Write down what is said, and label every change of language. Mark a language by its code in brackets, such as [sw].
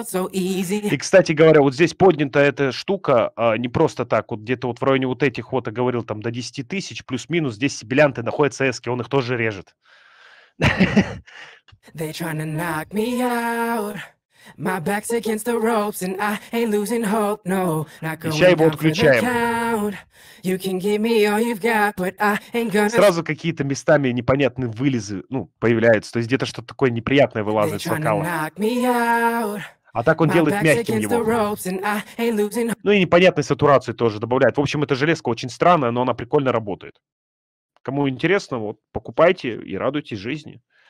[ru] И, кстати говоря, вот здесь поднята эта штука не просто так, вот где-то вот в районе вот этих вот, я говорил, там до 10 тысяч плюс-минус, здесь сибилянты находятся эски, он их тоже режет. [en] They tryna knock me out. My back's against the ropes and I ain't losing hope, no, not going down for the count. You can give me all you've got, but I ain't gonna... [ru] Сразу какие-то местами непонятные вылезы, ну, появляются, то есть где-то что-то такое неприятное вылазит с вокала. А так он делает мягким его. Ну и непонятной сатурации тоже добавляет. В общем, эта железка очень странная, но она прикольно работает. Кому интересно, вот, покупайте и радуйтесь жизни.